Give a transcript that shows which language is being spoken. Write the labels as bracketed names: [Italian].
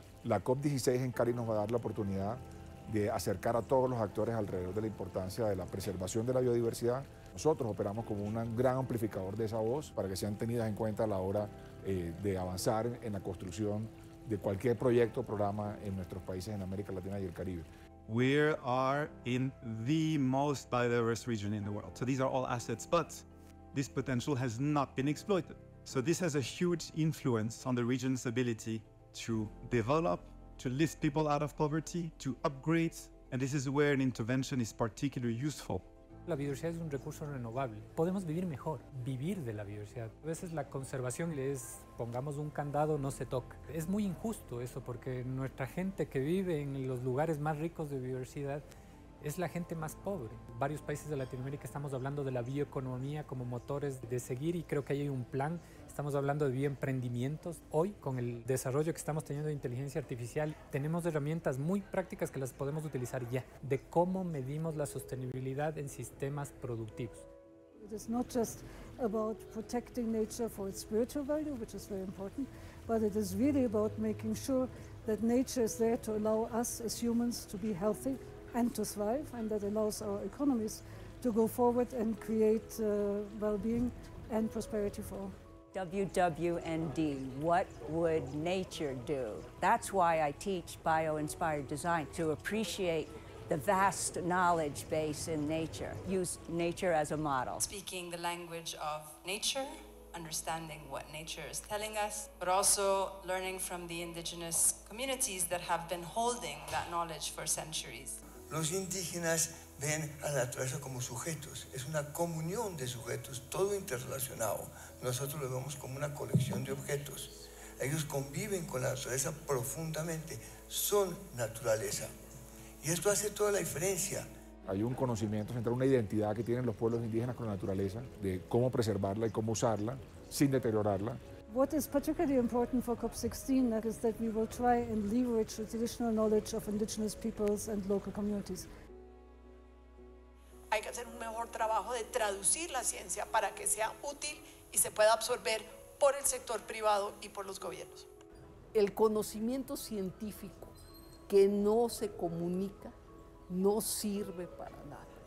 [Spanish] La COP16 en Cali nos va a dar la oportunidad de acercar a todos los actores alrededor de la importancia de la preservación de la biodiversidad. Nosotros operamos como un gran amplificador de esa voz para que sean tenidas en cuenta a la hora de avanzar en la construcción de cualquier proyecto o programa en nuestros países en América Latina y el Caribe. [English] We are in the most biodiverse region in the world. So these are all assets, but this potential has not been exploited. So this has a huge influence on the region's ability to develop, to lift people out of poverty, to upgrade, and this is where an intervention is particularly useful. [Spanish] La biodiversidad es un recurso renovable. Podemos vivir mejor, vivir de la biodiversidad. A veces la conservación es, pongamos un candado, no se toca. Es muy injusto eso, porque nuestra gente que vive en los lugares más ricos de biodiversidad es la gente más pobre. Varios países de Latinoamérica estamos hablando de la bioeconomía como motores de seguir, y creo que ahí hay un plan. Estamos hablando de bioemprendimientos. Hoy, con el desarrollo que estamos teniendo de inteligencia artificial, tenemos herramientas muy prácticas que las podemos utilizar ya, de cómo medimos la sostenibilidad en sistemas productivos. [English] It is not just about protecting nature for its spiritual value, which is very important, but it is really about making sure that nature is there to allow us as humans to be healthy and to thrive, and that allows our economies to go forward and create well-being and prosperity for all. WWND, what would nature do? That's why I teach bio-inspired design, to appreciate the vast knowledge base in nature. Use nature as a model. Speaking the language of nature, understanding what nature is telling us, but also learning from the indigenous communities that have been holding that knowledge for centuries. [Spanish] Los indígenas ven a la naturaleza como sujetos. Es una comunión de sujetos, todo interrelacionado. Nosotros lo vemos como una colección de objetos. Ellos conviven con la naturaleza profundamente, son naturaleza. Y esto hace toda la diferencia. Hay un conocimiento central, una identidad que tienen los pueblos indígenas con la naturaleza, de cómo preservarla y cómo usarla sin deteriorarla. [English] What is particularly important for COP16 is that we will try and leverage the traditional knowledge of indigenous peoples and local communities. [Spanish] Hay que hacer un mejor trabajo de traducir la ciencia para que sea útil y se pueda absorber por el sector privado y por los gobiernos. El conocimiento científico que no se comunica no sirve para nada.